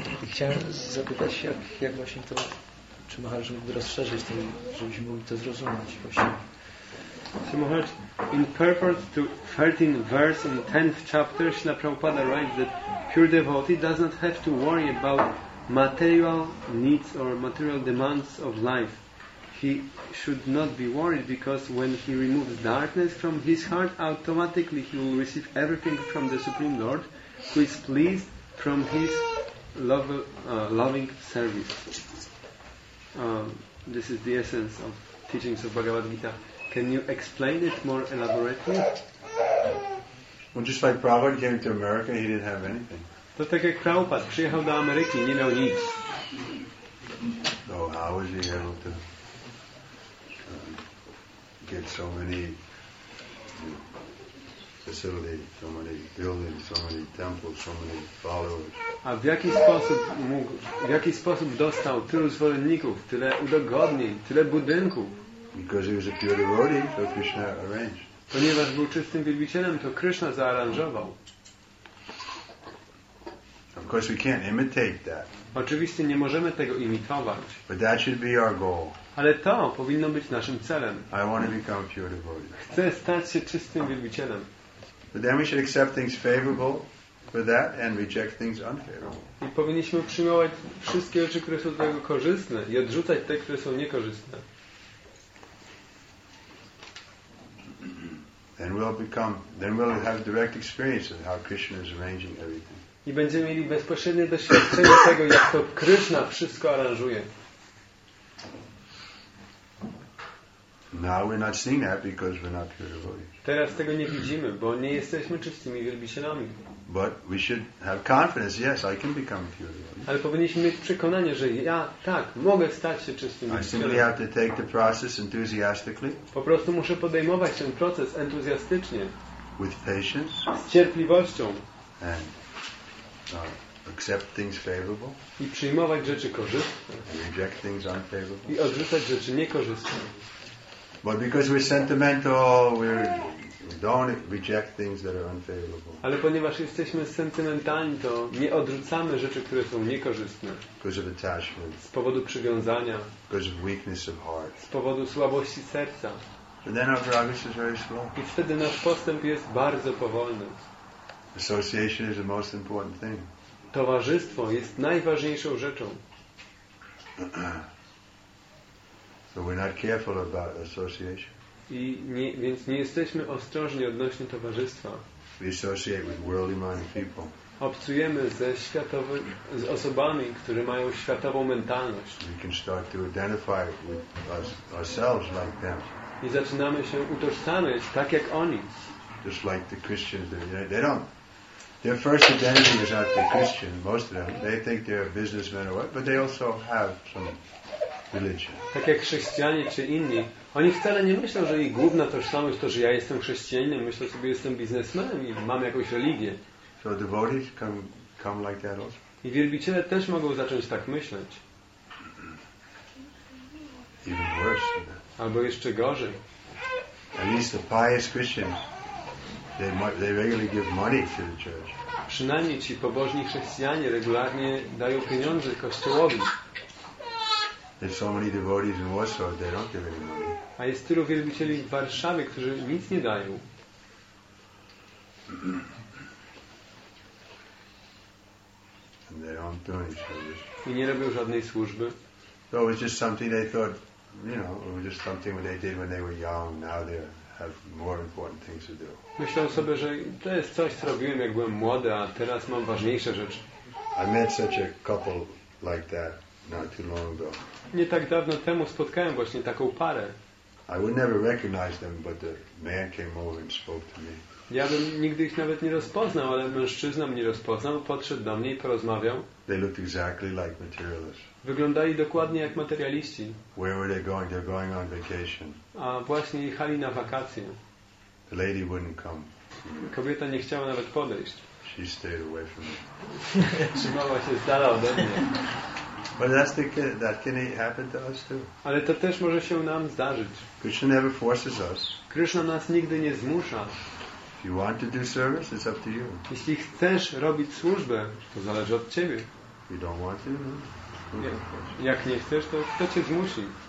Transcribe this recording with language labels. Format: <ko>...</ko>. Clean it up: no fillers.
<pl>Chciałem zapytać, jak właśnie to, czy Maharaj mógłby rozszerzyć to, żebyśmy mogli to zrozumieć właśnie.</pl> <en>So Maharaj, in purport to 13th verse in 10th chapter, Śrīla Prabhupāda writes that pure devotee does not have to worry about material needs or material demands of life. He should not be worried because when he removes darkness from his heart, automatically he will receive everything from the Supreme Lord, who is pleased from his loving service. This is the essence of teachings of Bhagavad Gita. Can you explain it more elaborately? Well, just like Prabhupada came to America, he didn't have anything.</en> <pl>To tak jak Prabhupada przyjechał do Ameryki, nie miał nic.</pl> <en>So how was he able to get so many facilities, so many buildings, so many temples, so many followers?</en> <pl>A w jaki sposób mógł, w jaki sposób dostał tylu zwolenników, tyle udogodnień, tyle budynków?</pl> <en>Because he was a pure devotee, so Krishna arranged.</en> <pl>Ponieważ był czystym wielbicielem, to Krishna zaaranżował.</pl> <en>Of course, we can't imitate that.</en> <pl>Oczywiście nie możemy tego imitować.</pl> <en>But that should be our goal.</en> <pl>Ale to powinno być naszym celem.</pl> <en>I want to become a pure devotee.</en> <pl>Chcę stać się czystym wielbicielem.</pl> <en>But then we should accept things favorable for that and reject things unfavorable.</en> <pl>I powinniśmy przyjmować wszystkie rzeczy, które są dla niego korzystne, i odrzucać te, które są niekorzystne.</pl> <en>Then we'll have direct experience of how Krishna is arranging everything.</en> <pl>I będziemy mieli bezpośrednie doświadczenie tego, jak to Krishna wszystko aranżuje.</pl> <en>Now we're not seeing that because we're not pure devotees.</en> <pl>Teraz tego nie widzimy, bo nie jesteśmy czystymi wielbicielami.</pl> <en>But we should have confidence. Yes, I can become pure devotee.</en> <pl>Ale powinniśmy mieć przekonanie, że ja tak mogę stać się czystym wielbicielem.</pl> <en>I simply have to take the process enthusiastically.</en> <pl>Po prostu muszę podejmować ten proces entuzjastycznie.</pl> <en>With patience.</en> <pl>Z cierpliwością.</pl> <en>And accept things favorable.</en> <pl>I przyjmować rzeczy korzystne.</pl> <en>And reject things unfavorable.</en> <pl>I odrzucać rzeczy niekorzystne.</pl> <en>But because we're sentimental, we don't reject things that are unfavorable.</en> <pl>Ale ponieważ jesteśmy sentymentalni, to nie odrzucamy rzeczy, które są niekorzystne.</pl> <en>Because of attachment.</en> <pl>Z powodu przywiązania.</pl> <en>Because of weakness of heart.</en> <pl>Z powodu słabości serca.</pl> <en>But then our progress is very slow.</en> <pl>I wtedy nasz postęp jest bardzo powolny.</pl> <en>Association is the most important thing.</en> <pl>Towarzystwo jest najważniejszą rzeczą.</pl> <en>So we're not careful about association.</en> <pl>I nie, więc nie jesteśmy ostrożni odnośnie towarzystwa.</pl> <en>We associate with worldly-minded people.</en> <pl>Obcujemy ze z osobami, które mają światową mentalność.</pl> <en>We can start to identify with ourselves like them.</en> <pl>I zaczynamy się utożsamiać tak jak oni.</pl> <en>Just like the Christians, they don't. Their first identity is not the Christian. Most of them, they think they're businessmen or what, but they also have some.</en> <pl>Tak jak chrześcijanie czy inni, oni wcale nie myślą, że ich główna tożsamość to, że ja jestem chrześcijaninem, myślę sobie, że jestem biznesmenem i mam jakąś religię.</pl> <en>So devotees come like that also.</en> <pl>I wielbiciele też mogą zacząć tak myśleć.</pl> <en>even worse than that.</en> <pl>Albo jeszcze gorzej.</pl> <en>At least the pious Christians, they regularly give money to the church.</en> <pl>Przynajmniej ci pobożni chrześcijanie regularnie dają pieniądze kościołowi.</pl> <en>There's so many devotees in Warsaw, they don't give any money.</en> <pl>A jest tylu wielbicieli w Warszawie, którzy nic nie dają.</pl> <en>And they don't do any service.</en> <pl>I nie robią żadnej służby.</pl> <en>So it was just something they thought, you know, it was just something they did when they were young. Now they have more important things to do.</en> <pl>Myślę sobie, że to jest coś, co robiłem, jak byłem młody, a teraz mam ważniejsze rzeczy.</pl> <en>I met such a couple like that not too long ago.</en> <pl>Nie tak dawno temu spotkałem właśnie taką parę.</pl> <en>I would never recognize them, but the man came over and spoke to me.</en> <pl>Ja bym nigdy ich nawet nie rozpoznał, ale mężczyzna mnie rozpoznał, podszedł do mnie i porozmawiał.</pl> <en>They looked exactly like materialists.</en> <pl>Wyglądali dokładnie jak materialiści.</pl> <en>Where were they going? They're going on vacation.</en> <pl>A właśnie jechali na wakacje.</pl> <en>The lady wouldn't come.</en> <pl>Kobieta nie chciała nawet podejść.</pl> <en>She stayed away from me.</en> <pl>Trzymała się z dala ode mnie.</pl> <en>But that's that can happen to us too.</en> <pl>Ale to też może się nam zdarzyć.</pl> <en>Krishna never forces us.</en> <pl>Krishna nas nigdy nie zmusza.</pl> <en>If you want to do service, it's up to you.</en> <pl>Jeśli chcesz robić służbę, to zależy od ciebie.</pl> <en>If you don't want to, no.</en> <pl>Jak nie chcesz, to kto cię zmusi?</pl>